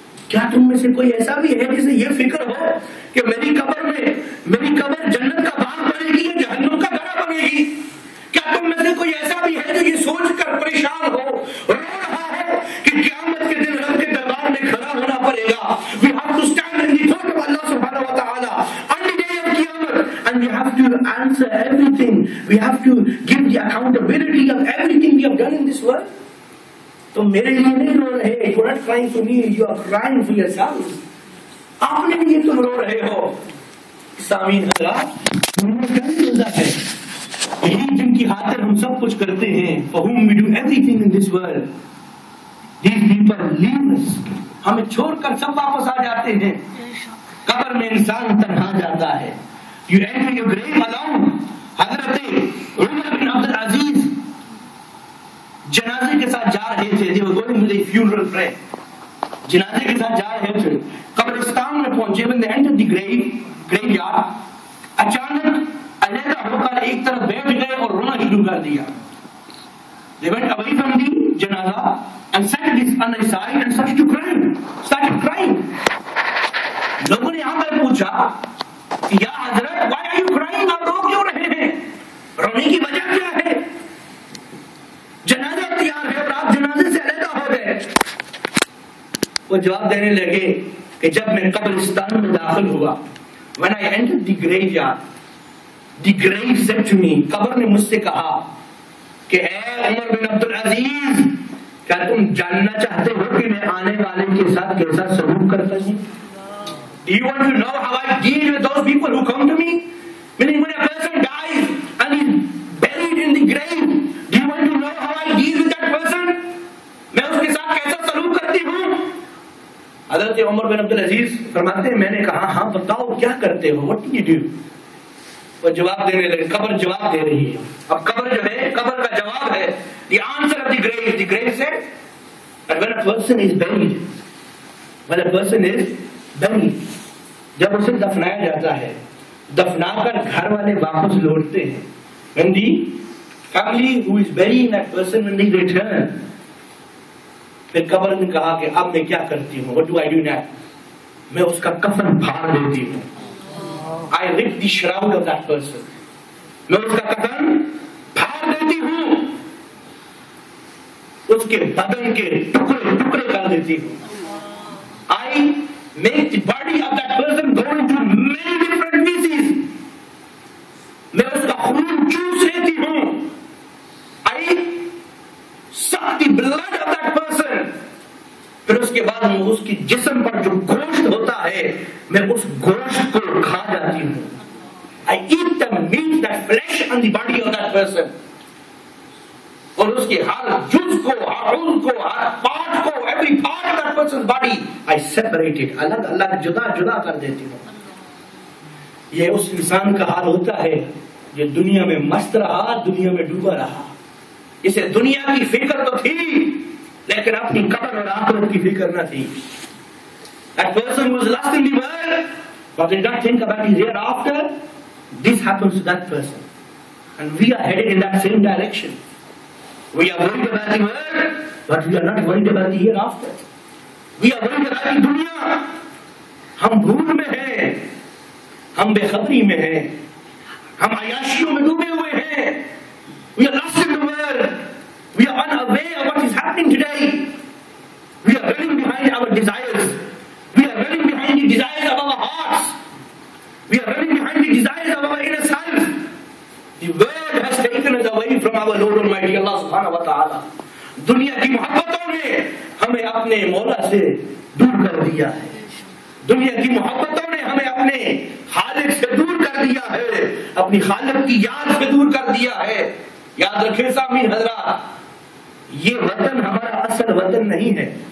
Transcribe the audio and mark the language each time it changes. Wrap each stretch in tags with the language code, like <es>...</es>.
<hi>क्या तुम में से कोई ऐसा भी है जिसे ये फिक्र हो कि मेरी कब्र में मेरी कब्र जन्नत का बाग बनेगी या जहन्नुम का घड़ा बनेगी? क्या तुम में से कोई ऐसा भी है जो ये सोचकर परेशान हो, रो रहा है कि क़यामत के दिन रब के दरबार में खड़ा होना पड़ेगा?</hi> <en>We have to stand in the front of Allah Subhanahu Wa Taala on the day of Qiyamah, and we have to answer everything. We have to give the accountability of everything we have done in this world.</en> <hi>तो मेरे लिए नहीं रो रहे,</hi> <en>you're not crying for me, you are crying for yourself.</en> <hi>आपने लिए तुम रो रहे हो. सामीन हजरात, तुम्हें क्या मिलता है? यही जिनकी खातिर हम सब कुछ करते हैं,</hi> <en>for whom we do everything in this world. These people leave us.</en> <hi>हमें छोड़कर सब वापस आ जाते हैं. कब्र में इंसान तन्हा जाता है.</hi> <en>You enter your grave alone.</en> <hi>हजरत उमर बिन अब्दुल अजीज जनाजे के साथ जा रहे थे,</hi> <en>they were going to the funeral prayer.</en> <hi>जनाजे के साथ जा रहे थे, कब्रिस्तान में पहुंचे,</hi> <en>when they entered the graveyard,</en> <hi>अचानक अलहदा होकर एक तरफ बैठ गए और रोना शुरू कर दिया.</hi> <en>They went away from the janaza and sat on the side and started crying.</en> <hi>लोगों ने यहां पर पूछा, या हजरत,</hi> <en>why are you crying?</en> <hi>आप रो क्यों रहे हैं? रोने की वजह क्या है? जनाजा तैयार है और आप जनाजे से अलहदा हो गए. वो जवाब देने लगे कि जब मैं कब्रिस्तान में दाखिल हुआ,</hi> <en>when I entered the graveyard, the grave said to me,</en> <hi>कब्र ने मुझसे कहा कि ऐ उमर बिन अब्दुल अजीज, क्या तुम जानना चाहते हो कि मैं आने वाले के साथ कैसा सलूक करता हूं?</hi> <en>Do you want to know how I deal with those people who come to me? Meaning when a person dies and he's buried in the grave, do you want to know how I deal with that person?</en> <hi>मैं उसके साथ कैसा सलूक करती हूं? हजरत उमर बिन अब्दुल अजीज फरमाते हैं, मैंने कहा, हां बताओ क्या करते हो,</hi> <en>What do you do?</en> <hi>वो जवाब देने लगे, कब्र जवाब दे रही है. अब कब्र जो है, कब्र का जवाब है,</hi> <en>the answer of the grave is the grave said, when a person is buried,</en> <hi>when a person is buried, जब उसे दफनाया जाता है, दफनाकर घर वाले वापस लौटते हैं,</hi> <en>when the family who is buried that person when they return,</en> <hi>फिर कब्र ने कहा कि अब मैं क्या करती हूं,</hi> <en>What do I do now?</en> <hi>मैं उसका कफन फाड़ देती हूं.</hi> <en>I rip the shroud of that person.</en> <hi>मैं उसका कफन फाड़ देती हूं, उसके बदन के टुकड़े टुकड़े कर देती हूं.</hi> <en>I make the body of that person go into many different pieces.</en> <hi>मैं उसका खून चूस लेती हूं.</hi> <en>I suck the blood of that person.</en> <hi>फिर उसके बाद मैं उसके जिस्म पर जो गोश्त होता है, मैं उस गोश्त को खा जाती हूं.</hi> <en>I eat the meat, that flesh on the body of that person.</en> <hi>और उसके हर जुज को, हर उज को, हर पार्ट को,</hi> <en>every part of that person body I separate it,</en> <hi>अलग अलग जुदा जुदा कर देती हूं. यह उस इंसान का हाल होता है जो दुनिया में मस्त रहा, दुनिया में डूबा रहा. इसे दुनिया की फिक्र तो थी, लेकिन अपनी कब्र और आखिरत की फिक्र न थी.</hi> <en>That person was lost in the world, but they don't think about his hereafter. This happens to that person. And we are headed in that same direction. We are worried about the world, but we are not worried about the hereafter. We are worried about the dunya.</en> <hi>हम भूल में हैं, हम बेखबरी में हैं, हम आयाशियों में डूबे हुए हैं.</hi> <en>We are lost in the world. We are unaware of what is happening today. We are running behind our desires. We are running behind the desires of our hearts. We are running behind the desires of our inner self. The world has taken us away from our Lord Almighty Allah Subhanahu Wa Taala.</en> <hi>दुनिया की मोहब्बतों ने हमें अपने मौला से दूर कर दिया है. दुनिया की मोहब्बतों ने हमें अपने खालिक से दूर कर दिया है, अपनी खालिक की याद से दूर कर दिया है. याद रखे सामी हजरा, ये वतन हमारा असल वतन नहीं है.</hi>